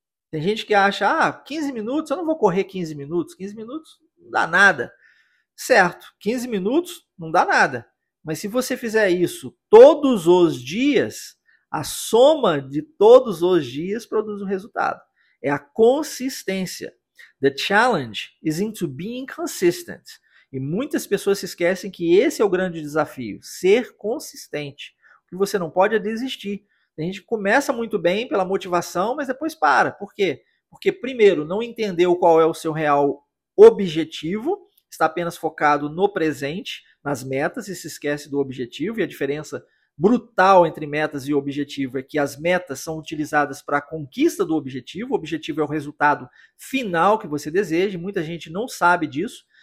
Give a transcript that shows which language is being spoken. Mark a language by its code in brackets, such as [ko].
[pt] Tem gente que acha, ah, 15 minutos, eu não vou correr 15 minutos. 15 minutos não dá nada. Certo, 15 minutos não dá nada. Mas se você fizer isso todos os dias, a soma de todos os dias produz um resultado. É a consistência. [en] The challenge is into being consistent. [pt] E muitas pessoas se esquecem que esse é o grande desafio, ser consistente. O que você não pode é desistir. A gente começa muito bem pela motivação, mas depois para. Por quê? Porque primeiro não entendeu qual é o seu real objetivo, está apenas focado no presente, nas metas, e se esquece do objetivo. E a diferença brutal entre metas e objetivo é que as metas são utilizadas para a conquista do objetivo. O objetivo é o resultado final que você deseja, e muita gente não sabe disso.